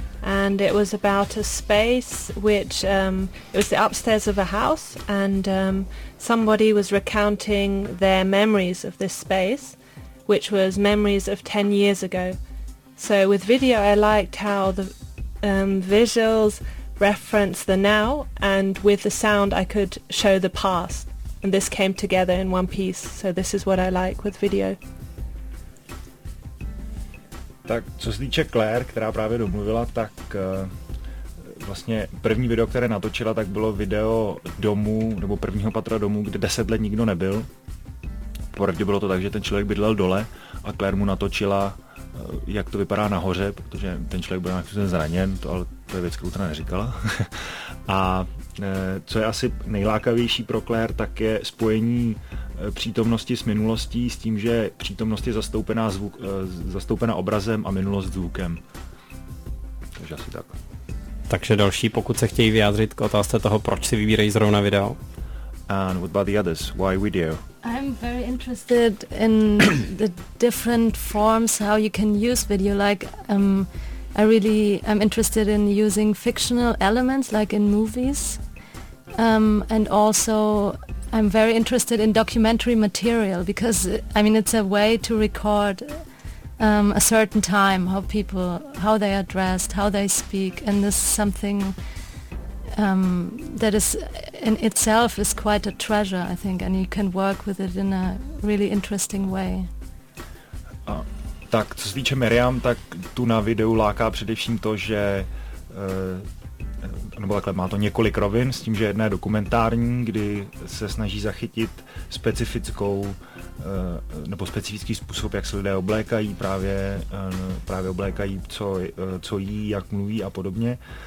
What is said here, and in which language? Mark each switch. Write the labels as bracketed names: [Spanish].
[English] And it was about a space which, it was the upstairs of a house, and somebody was recounting their memories of this space, which was memories of 10 years ago. So with video, I liked how the visuals reference the now, and with the sound, I could show the past. And this came together in one piece, so this is what I like with video. [Czech] Tak co se týče Claire, která právě domluvila, tak vlastně první video, které natočila, tak bylo video domu, nebo prvního patra domu, kde 10 let nikdo nebyl. Poprvé bylo to tak, že ten člověk bydlel dole a Claire mu natočila, jak to vypadá nahoře, protože ten člověk byl nějakým způsobem zraněn, ale to je věc, kterou teda neříkala. A co je asi nejlákavější pro Claire, tak je spojení přítomnosti s minulostí, s tím, že přítomnost je zastoupená zastoupená obrazem a minulost zvukem. Takže asi tak. Takže další, pokud se chtějí vyjádřit k otázce toho, proč si vybírají zrovna video. [English] And what about the others? Why video? I'm very interested in the different forms how you can use video, like I really am interested in using fictional elements like in movies. And also I'm very interested in documentary material because, I mean, it's a way to record a certain time, how people, how they are dressed, how they speak, and this is something that is in itself is quite a treasure, I think, and you can work with it in a really interesting way. [Czech] Tak, co se týče Miriam, tak tu na videu láká především to, že nebo takhle, má to několik rovin s tím, že jedna je dokumentární, kdy se snaží zachytit specifickou nebo specifický způsob, jak se lidé oblékají, právě oblékají, co jí, jak mluví a podobně.